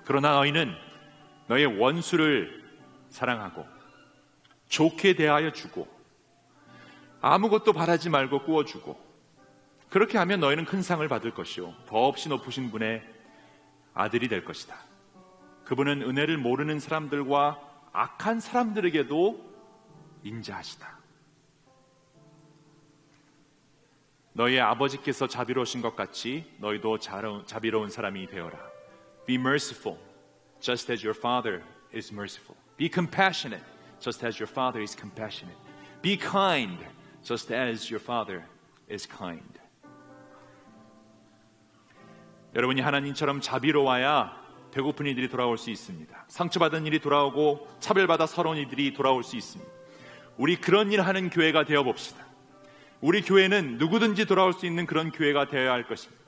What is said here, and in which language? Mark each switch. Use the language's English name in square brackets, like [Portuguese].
[Korean] 그러나 너희는 너희의 원수를 사랑하고 좋게 대하여주고 아무것도 바라지 말고 꾸어주고 그렇게 하면 너희는 큰 상을 받을 것이요 더없이 높으신 분의 아들이 될 것이다. 그분은 은혜를 모르는 사람들과 악한 사람들에게도 인자하시다. 너희의 아버지께서 자비로우신 것 같이 너희도 자비로운 사람이 되어라. [English] Be merciful just as your father is merciful. Be compassionate just as your father is compassionate. Be kind just as your father is kind. [Korean] 여러분이 하나님처럼 자비로워야 배고픈 이들이 돌아올 수 있습니다. 상처받은 이들이 돌아오고 차별받아 서러운 이들이 돌아올 수 있습니다. 우리 그런 일 하는 교회가 되어봅시다. 우리 교회는 누구든지 돌아올 수 있는 그런 교회가 되어야 할 것입니다.